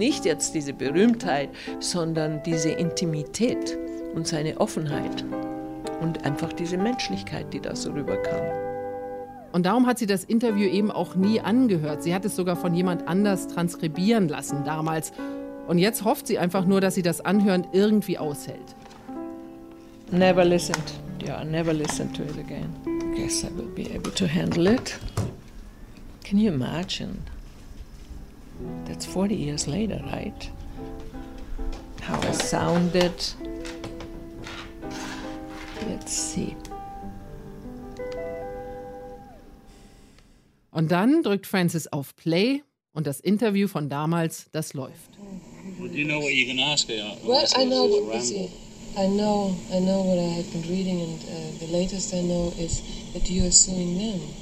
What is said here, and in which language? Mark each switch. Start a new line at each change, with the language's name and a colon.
German: Nicht jetzt diese Berühmtheit, sondern diese Intimität und seine Offenheit und einfach diese Menschlichkeit, die da so rüberkam. Und darum hat sie das Interview eben auch nie angehört. Sie hat es sogar von jemand anders transkribieren lassen damals. Und jetzt hofft sie einfach nur, dass sie das Anhören irgendwie aushält.
English: Never listened. Yeah, I never listened to it again. I guess I will be able to handle it. Can you imagine? That's 40 years later, right? How I sounded. Let's see.
German: Und dann drückt Frances auf Play und das Interview von damals, das läuft.
English: Do you know what you can ask her? Well, I know what you see. I know what I have been reading, and the latest I know is that you are suing them.